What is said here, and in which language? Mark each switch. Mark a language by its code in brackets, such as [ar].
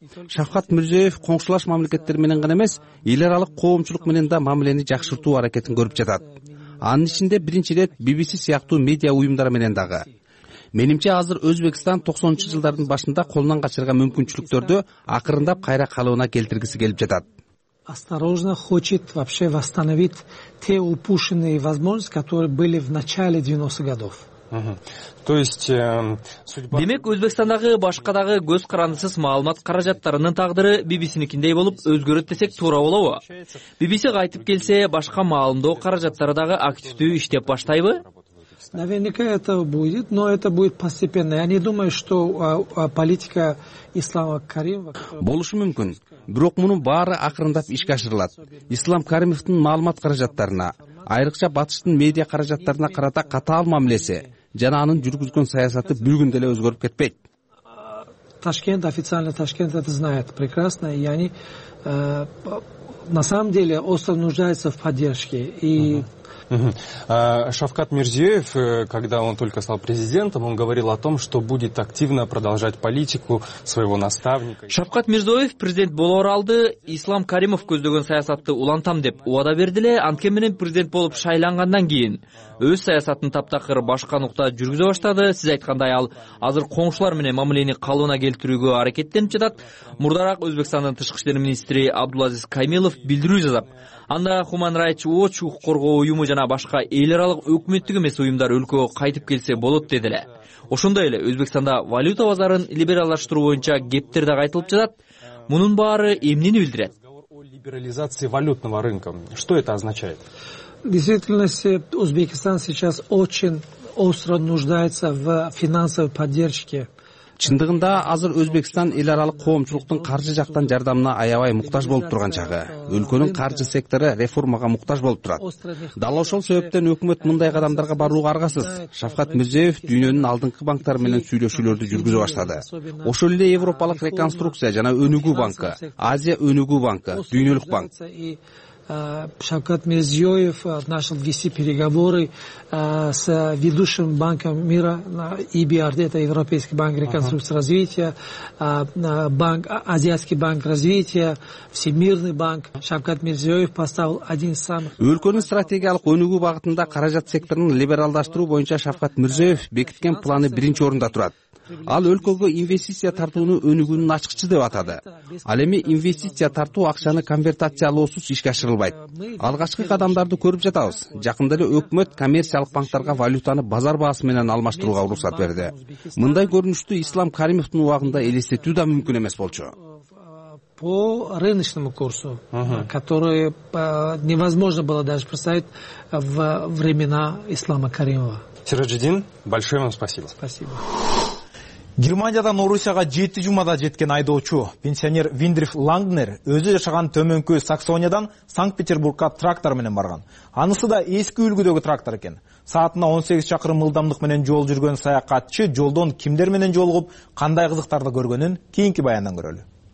[ky] Шавкат Мирзиёев коңшулаш мамлекеттер менен гана эмес, эл аралык коомчулук менен да мамилени жакшыртуу аракетин көрүп жатат. Анын ичинде биринчи ирет BBC сыяктуу медиа уюмдар менен дагы. Менимче, азыр Өзбекстан 90-чу жылдардын башында колунан качырган мүмкүнчүлүктөрдү акырындап кайра калыбына келтиргиси келип жатат. [ru] Осторожно хочет вообще восстановить те упущенные возможности, которые были в начале 90-х годов. То есть судьба. [ky] Демек, Өзбекстандагы башкадагы көз карандысыз маалымат каражаттарынын тагдыры BBC'никиндей болуп өзгөрөт десек туура болобу? BBC кайтып келсе, башка маалымдоо каражаттары дагы активдүү иштеп баштайбы? [ru] Наверняка это будет, но это будет постепенно. Я не думаю, что политика Ислама Каримова. [ky] Болушу мүмкүн, бирок мунун баары акырындап ишке ашырылат. Ислам Каримовдун маалымат каражаттарына, айрыкча батыштын медиа каражаттарына карата катаал мамилеси жана анын жүргүзгөн саясаты бир күндө эле өзгөрүп кетпейт. [ru] Ташкент, официально Ташкент это знает прекрасно, яни на самом деле остров нуждается в поддержке и Шавкат Мирзиёев, когда он только стал президентом, он говорил о том, что будет активно продолжать политику своего наставника. [ky] Шавкат Мирзиёев президент болоор алды, Ислам Каримов көздөгөн саясатты улантам деп убада берди эле, анткени менен президент болуп шайлангандан кийин өз саясатын таптакыр башка нукта жүргүзө баштады. Сиз айткандай, ал азыр коңшулар менен мамилени калыбына келтирүүгө аракеттенип жатат. Мурдараак Өзбекстандын тышкы иштер министри Абдулазиз Каймилов билдирүү жазып, анда Human Rights Watch, укук коргоо уюму жана башка эл аралык өкмөттүк эмес уюмдар өлкөгө кайтып келсе болот деди эле. Ошондой эле Өзбекстанда валюта базарын либерализаштыруу боюнча кептер да айтылып жатат. Мунун баары эмнени билдирет? [ru] Либерализация валютного рынка. Что это означает? В действительности Узбекистан сейчас очень остро нуждается в финансовой поддержке. [ky] Чындыгында азыр Өзбекстан эл аралык коомчулуктун каржы жактан жардамына аябай муктаж болуп турган чагы. Өлкөнүн каржы сектору реформага муктаж болуп турат. Дал ошол себептен өкмөт мындай кадамдарга барууга аргасыз. Шавкат Мирзиёев дүйнөнүн алдыңкы банктары менен сүйлөшүүлөрдү жүргүзө баштады. Ошол эле Европалык реконструкция жана өнүгүү банкы, Азия өнүгүү банкы, дүйнөлүк банк. [ru] Шавкат Мирзиёев начал вести переговоры с ведущим банком мира EBRD, это Европейский банк реконструкции и развития, банк, Азиатский банк развития, Всемирный банк. Шавкат Мирзиёев поставил один из самых... [ky] Өлкөнүн стратегиялык өнүгүү багытында каражат секторун либералдаштыруу боюнча Шавкат Мирзиёев бекиткен планы биринчи орунда турат. Ал өлкөгө инвестиция тартууну өнүгүүнүн ачкычы деп атады. Ал эми инвестиция тартуу акчаны конвертациялоосуз ишке ашырылбайт. Алгачкы кадамдарды көрүп жатабыз. Жакында эле өкмөт коммерциялык банктарга валютаны базар баасы менен алмаштырууга уруксат берди. Мындай көрүнүштү Ислам Каримовдун убагында элестетүү да мүмкүн эмес болчу. [ru] По рыночному курсу, который невозможно было даже представить в времена Ислама Каримова. Сирожиддин, большое вам спасибо. Спасибо. [ky] Германиядан Орусияга 7 жумада жеткен айдоочу пенсионер Виндриф Лангнер өзү жашаган төмөнкү Саксониядан Санкт-Петербургга трактор менен барган. Анысы да эски үлгүдөгү трактор экен. саатына 18 чакырым ылдамдык менен жол жүргөн саякатчы жолдон кимдер менен жолугуп, кандай кызыктарды көргөнүн кийинки баяндан көрөлү.